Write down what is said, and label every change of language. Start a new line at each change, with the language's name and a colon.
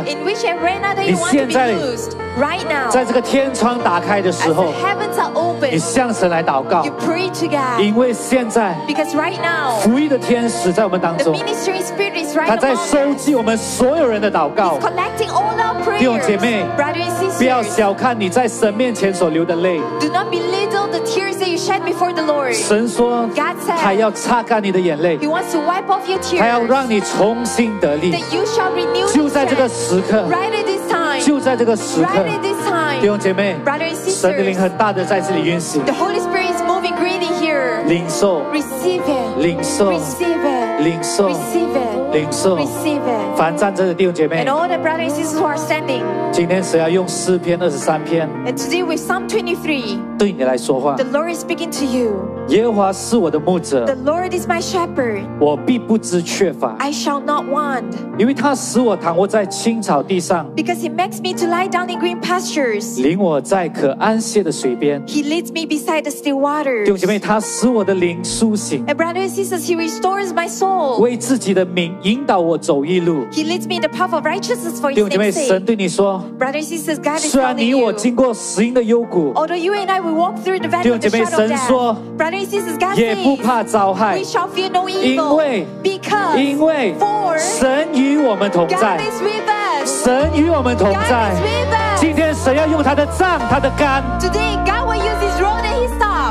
English: in which arena do you want to be used right now?
Chinese: 在这个天窗打开的时候
English: as the heavens are open,
Chinese: 你向神来祷告
English: you pray to God.
Chinese: 因为现在
English: because right now,
Chinese: 福音的天使在我们当中
English: the ministry spirit is right among us.
Chinese: 他在收集我们所有人的祷告
English: he's collecting all our prayers.
Chinese: 弟兄姐妹
English: sisters,
Chinese: 不要小看你在神面前所流的泪
English: Do not belittle the tears that you shed before the Lord
Chinese: 神说
English: God said,
Chinese: 他要擦干你的眼泪
English: He wants to wipe off your tears
Chinese: 他要让你重新得力
English: That you shall renew the strength
Chinese: 就在这个时刻
English: Right at this time
Chinese: 就在这个时刻
English: Right at this time
Chinese: 弟兄姐妹
English: Brother and sisters
Chinese: 神的灵很大的在这里运行
English: The Holy Spirit is moving greatly here
Chinese: 领受
English: Receive it
Chinese: 领受
English: Receive it
Chinese: 领受
English: Receive it
Chinese: 领受凡站着的弟兄姐妹
English: and all the brothers and sisters who are standing,
Chinese: 今天神要用诗篇二十三篇
English: and today with Psalm 23,
Chinese: 对你来说话
English: the Lord is speaking to you,
Chinese: 耶和华是我的牧者
English: the Lord is my shepherd,
Chinese: 我必不知缺乏
English: I shall not want,
Chinese: 因为他使我躺卧在青草地上
English: because he makes me to lie down in green pastures,
Chinese: 领我在可安歇的水边
English: he leads me beside the still waters,
Chinese: 弟兄姐妹他使我的灵苏醒
English: and brothers and sisters he restores my soul,
Chinese: 为自己的名引导我走义路
English: He leads me in the path of righteousness for his name's sake
Chinese: 神对你说
English: Brother and sisters, God is telling
Chinese: you 虽然你我经过死荫的幽谷
English: Although you and I will walk through the valley of the shadow of death Brother and sisters, God says
Chinese: 也不怕遭害
English: We shall fear no evil
Chinese: 因为
English: Because
Chinese: 因为
English: For
Chinese: 神与我们同在
English: God is with us
Chinese: 神与我们同在
English: God is with us
Chinese: 今天神要用他的杖他的竿
English: Today, God will use his rod and his staff